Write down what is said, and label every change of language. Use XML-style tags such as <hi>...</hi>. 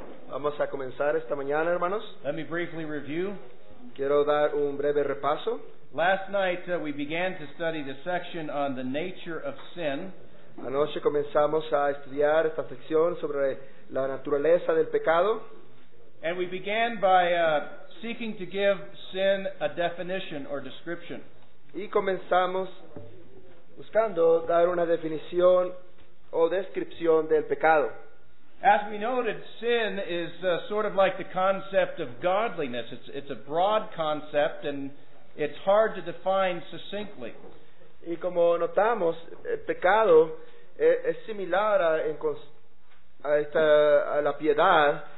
<es>Vamos a comenzar esta mañana, hermanos.</es> <en>Let me briefly review.</en> <es>Quiero dar un breve repaso.</es> <en>Last night we began to study the section on the nature of sin.</en> <es>Anoche comenzamos a estudiar esta sección sobre la naturaleza del pecado.</es> <en>And we began by seeking to give sin a definition or description.</en> <es>Y comenzamos buscando dar una definición o descripción del pecado.</es> <en>As we noted, sin is sort of like the concept of godliness. It's a broad concept and it's hard to define succinctly.</en> <es>Y como notamos, el pecado es similar a la piedad.</es>